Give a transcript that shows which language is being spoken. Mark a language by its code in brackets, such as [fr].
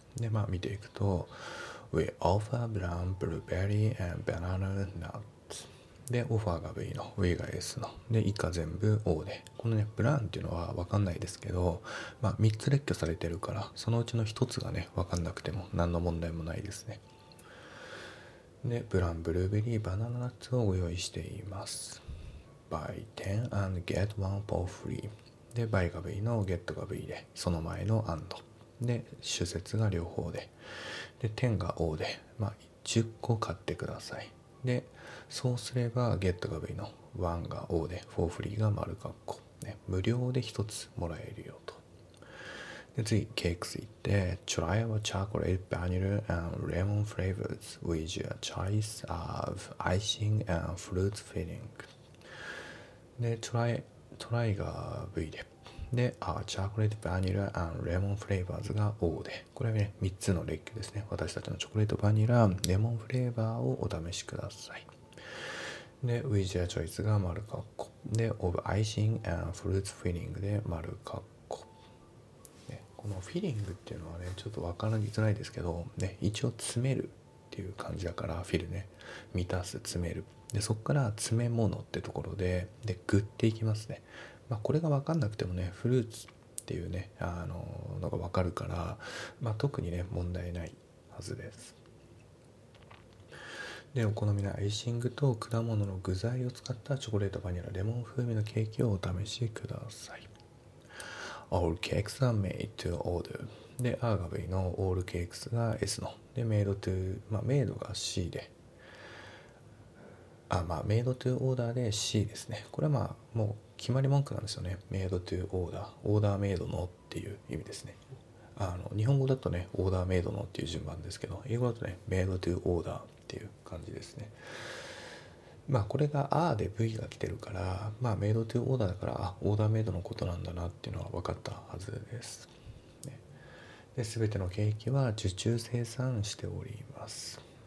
[ja] で、まあ、見ていくと、 [en] We offer brown blueberry and banana nuts. [ja] で、オファーが V の、V が S の。で、以下全部 O で。このね、ブラウンっていうのは分かんないですけど、まあ、3つ列挙されてるから、そのうちの1つがね、分かんなくても、何の問題もないですね。で、ブラウン、ブルーベリー、バナナナッツをご用意しています。 [en] Buy 10 and get 1 for free。 [ja] で、Buy が V の、Get が V で、その前の and。で、主節が両方で。で、10が O で、まあ、10個買ってください。で、そうすれば、ゲットが V の1が O で、フォーフリーが丸括弧、ね。無料で1つもらえるよと。で、次、ケークス行って、 [en] Try our chocolate, vanilla and lemon flavors with your choice of icing and fruit filling. で、Try が V で。で、our chocolate, vanilla and lemon flavors が O で。 [ja] これはね、3つの列挙ですね。私たちのチョコレート、バニラ、レモンフレーバーをお試しください。で、ウィジアチョイスが丸カッコ。で、オブアイシングアンフルーツフィリングで丸カッコ。このフィリングっていうのはね、ちょっとわからにつらいですけど、ね、一応詰めるっていう感じだから、フィルね、満たす、詰める。で、そこから詰め物ってところで、で、グッていきますね。まあ、これがわかんなくてもね、フルーツっていうね、のがわかるから、まあ、特にね、問題ないはずです。で、お好みのアイシングと果物の具材を使ったチョコレートバニラレモン風味のケーキをお試しください。 [en] All cakes are made to order. [ja] で、R が V の All cakes が S の。で、made to, まあ、made が C で。 あ、まあ、made to order で C ですね。これはまあ、もう決まり文句なんですよね。 [en] made to order。 [ja] オーダーメイドのっていう意味ですね。日本語だとね、オーダーメイドのっていう順番ですけど、英語だとね、 [en] made to order。 [ja] っていう感じですね。まあこれが R で V が来てるから、まあメイドトゥオーダーだから、あ、オーダーメイドのことなんだなっていうのは分かったはずです、ね、で、全てのケーキは受注生産しております。